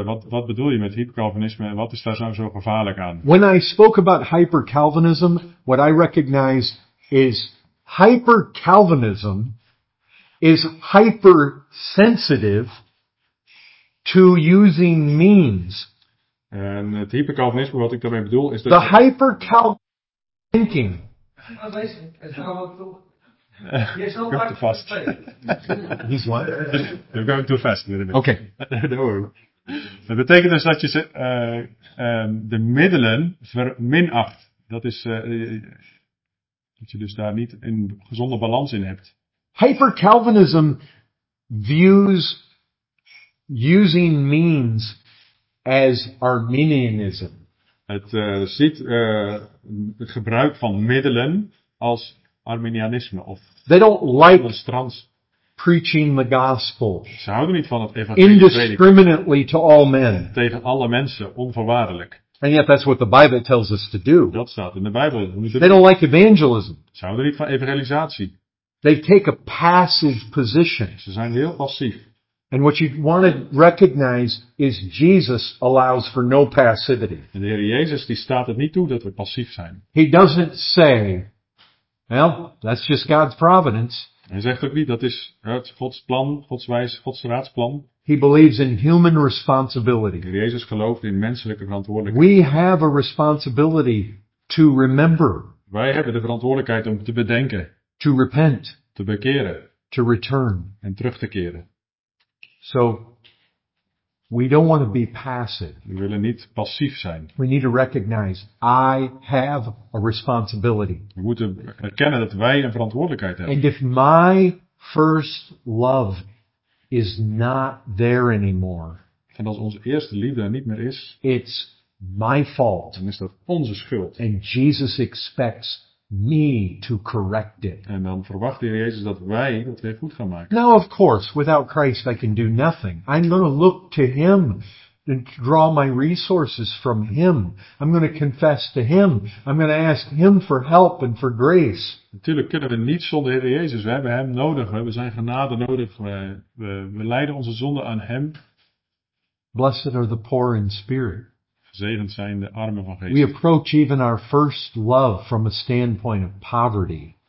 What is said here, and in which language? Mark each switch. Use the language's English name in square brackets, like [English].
[Dutch] Wat bedoel je met hyper-Calvinisme en wat is daar zo gevaarlijk aan? [English] When I spoke about hyper-Calvinism, what I recognize is hyper-Calvinism is hyper-sensitive to using means. [Dutch] En het hyper-Calvinisme, wat ik daarmee bedoel, is dat... [English] The hyper-Calvinist thinking. Going too fast. He's what? They're going too fast. Okay. No worries. [Dutch] Dat betekent dus dat je de middelen verminacht. Dat is dat je dus daar niet een gezonde balans in hebt. [English] Hyper-Calvinism views using means as Arminianism. [Dutch] Het ziet het gebruik van middelen als Arminianisme of [English] they don't like trans. Preaching the gospel. [Dutch] Ze houden niet van het [English] indiscriminately to all men. [Dutch] Tegen alle mensen onvoorwaardelijk. [English] And yet that's what the Bible tells us to do. [Dutch] Dat staat in de Bijbel. [English] They don't like evangelism. [Dutch] Ze houden niet van evangelisatie. [English] They take a passive position. [Dutch] Ze zijn heel passief. [English] And what you want to recognize is Jesus allows for no passivity. [Dutch] En de Heer Jezus die staat het niet toe dat we passief zijn. [English] He doesn't say, well, that's just God's providence. [Dutch] Hij zegt ook niet, dat is het Gods plan, Gods wijze, Gods raadsplan. [English] He believes in human responsibility. [Dutch] Jezus gelooft in menselijke verantwoordelijkheid. [English] We have a responsibility to remember. [Dutch] Wij hebben de verantwoordelijkheid om te bedenken. [English] To repent. [Dutch] Te bekeren. [English] To return. [Dutch] En terug te keren. [English] So, we don't want to be passive. [Dutch] We willen niet passief zijn. [English] We need to recognize I have a responsibility. [Dutch] We moeten erkennen dat wij een verantwoordelijkheid hebben. [English] And if my first love is not there anymore. [Dutch] En als onze eerste liefde er niet meer is. [English] It's my fault. [Dutch] Dan is dat onze schuld. [English] And Jesus expects me to correct it. [Dutch] En dan verwacht de Heer Jezus dat wij dat weer goed gaan maken. [English] Now of course, without Christ I can do nothing. I'm going to look to Him and draw my resources from Him. I'm going to confess to Him. I'm going to ask Him for help and for grace. [Dutch] Natuurlijk kunnen we niet zonder Heer Jezus. We hebben Hem nodig. We hebben zijn genade nodig. We leiden onze zonden aan Hem. [English] Blessed are the poor in spirit. [Dutch] Zegend zijn de armen van Jezus. [English] We approach even our first love from a standpoint of poverty.